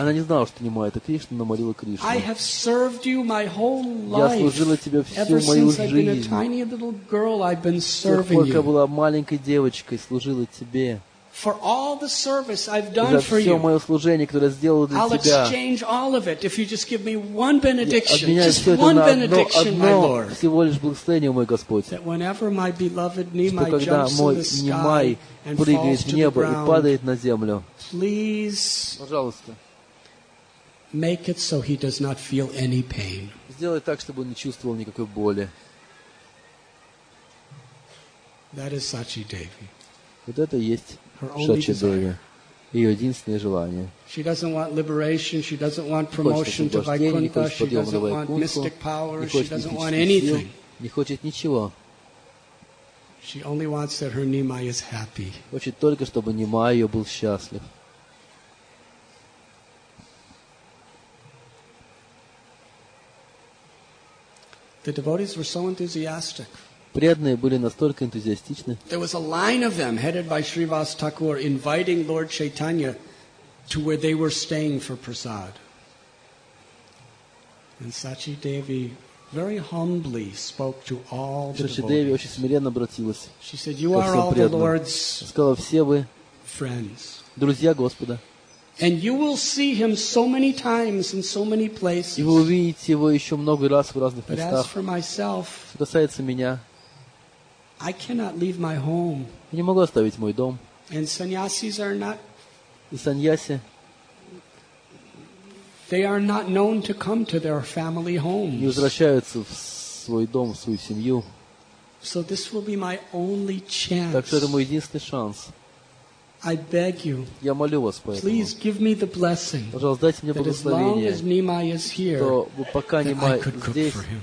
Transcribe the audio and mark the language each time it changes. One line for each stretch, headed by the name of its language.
Russian: Она не знала, что Нимай это Кришна, но молила Кришну.
English: I have served you my whole life.
Russian: Я служила тебе всю мою жизнь. С тех пор, как я была маленькой девочкой, служила тебе.
English: For all the service I've done for you.
Russian: За все мое служение, которое сделала для
English: I'll
Russian: тебя.
English: I'll exchange all of it if you just give me one benediction. Just one benediction, my Lord.
Russian: Всего лишь благословение, мой Господь.
English: That whenever my beloved Nimai
Russian: что когда
English: jumps
Russian: мой
English: in the Nimai sky and falls to the ground,
Russian: и падает на землю,
English: please,
Russian: пожалуйста,
English: make it so he does not feel any pain.
Russian: Сделай так, чтобы он не чувствовал никакой боли.
English: That is Sachi Devi.
Russian: Вот это есть Шачидеви, ее единственное желание.
English: She doesn't want liberation, she doesn't want promotion to Vaikuntha, she doesn't want mystic power, she doesn't want anything.
Russian: Не хочет ничего.
English: She only wants that her Nimai is happy.
Russian: Хочет только, чтобы Нимай ее был счастлив.
English: The devotees were so enthusiastic.
Russian: Преданные были настолько энтузиастичны.
English: There was a line of them headed by Shrivas Thakur inviting Lord Chaitanya to where they were staying for prasad. And Sachi Devi very humbly spoke to all the devotees.
Russian: Шачидеви очень смиренно обратилась.
English: She said, "You are all the Lord's friends.
Russian: Друзья Господа.
English: And you will see him so many times in so many places.
Russian: И вы увидите его еще много раз в разных местах.
English: But as for myself,
Russian: что касается меня,
English: I cannot leave my home.
Russian: Я не могу оставить мой дом.
English: And sannyasis are not.
Russian: И саньяси.
English: They are not known to come to their family homes.
Russian: Не возвращаются в свой дом, в свою семью.
English: So this will be my only chance.
Russian: Так что это мой единственный шанс.
English: I beg you.
Russian: Я молю вас поэтому.
English: Please give me the blessing.
Russian: Пожалуйста, дайте мне благословение.
English: As long as Nimai is here,
Russian: пока Nimai здесь,